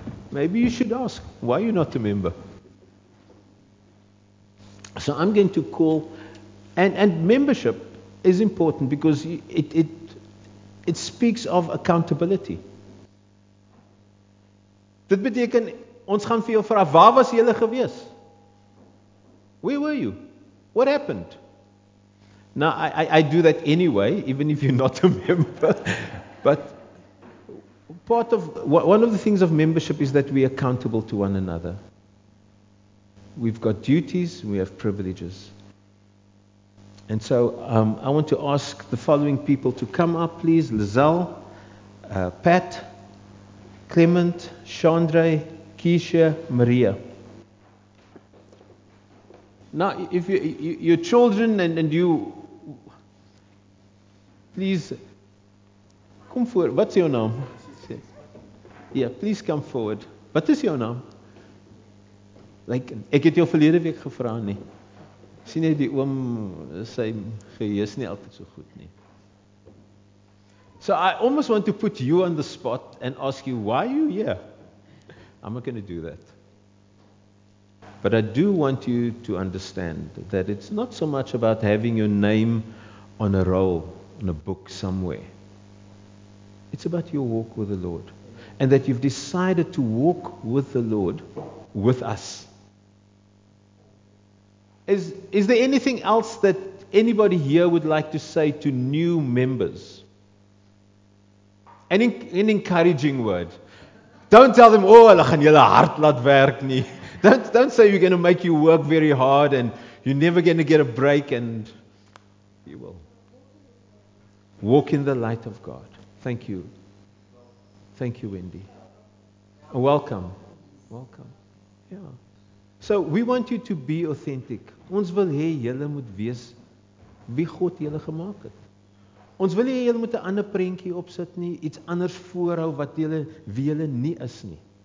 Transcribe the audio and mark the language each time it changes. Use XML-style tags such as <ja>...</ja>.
<en>Maybe you should ask, why are you not a member? So I'm going to call, and membership is important because it speaks of accountability.</en> <af>Dit beteken Ons gaan vir jou vra, waar was julle gewees?</af> <en>Where were you? What happened? Now, I do that anyway, even if you're not a member. But part of one of the things of membership is that we are accountable to one another. We've got duties, we have privileges. And so I want to ask the following people to come up, please. Lizelle, Pat, Clement, Chandra, Keisha, Maria. Now, if your children and you, please, come forward. What's your name? Yeah, please come forward. What is your name? Like,</en> <af>ek het jou verlede week gevra nie. Sien jy die oom, sy geheus nie altyd so goed nie.</af> <en>So I almost want to put you on the spot and ask you, why are you here? I'm not going to do that. But I do want you to understand that it's not so much about having your name on a roll, in a book somewhere. It's about your walk with the Lord. And that you've decided to walk with the Lord, with us. Is there anything else that anybody here would like to say to new members? An encouraging word. Don't tell them, oh,</en> <af>hulle gaan julle hart laat werk nie.</af> <en>Don't say you're going to make you work very hard and you're never going to get a break and you will. Walk in the light of God. Thank you. Thank you, Wendy. Welcome. Welcome. Yeah. So we want you to be authentic.</en> <af>Ons wil hê julle moet wees wie God julle gemaak het. Ons wil hê julle moet 'n ander prentjie opsit nie, iets anders voorhou wat julle wie julle nie is nie.</af>